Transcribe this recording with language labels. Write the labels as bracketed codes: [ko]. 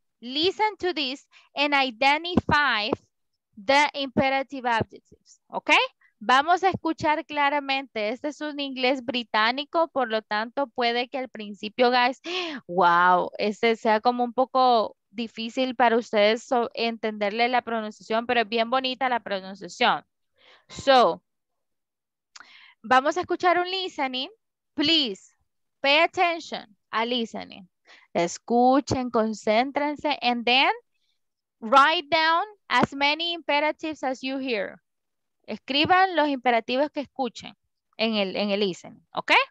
[en] Listen to this and identify the imperative adjectives. [es] Okay? Vamos a escuchar claramente. Este es un inglés británico, por lo tanto, puede que al principio, [en] guys, wow, [es] este sea como un poco difícil para ustedes entenderle la pronunciación, pero es bien bonita la pronunciación. So, vamos a escuchar un listening. [en] Please, pay attention a listening. [es] Escuchen, concéntrense, [en] and then write down as many imperatives as you hear. [es] Escriban los imperativos que escuchen en el listening, ¿ok?